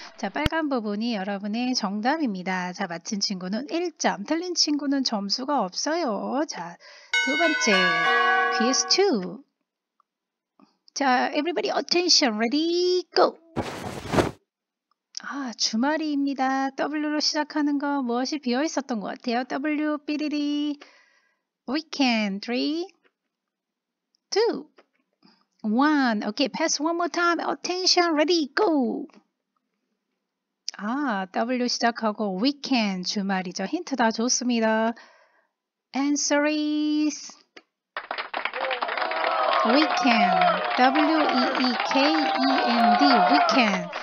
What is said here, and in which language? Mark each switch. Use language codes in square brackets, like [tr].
[ko] 자, 빨간 부분이 여러분의 정답입니다. 자, 맞힌 친구는 1점, 틀린 친구는 점수가 없어요. 자, 두 번째, [en] quiz 2. 자, everybody attention, ready, go! [ko] 아, 주말입니다. W로 시작하는 거 무엇이 비어 있었던 것 같아요? W, 삐리리. [en] Weekend, 3, 2, 1 Okay, pass one more time. Attention, ready, go. [ko] 아, W 시작하고 weekend 주말이죠. 힌트 다 좋습니다. [en] Answer is weekend. W-E-E-K-E-N-D. Weekend.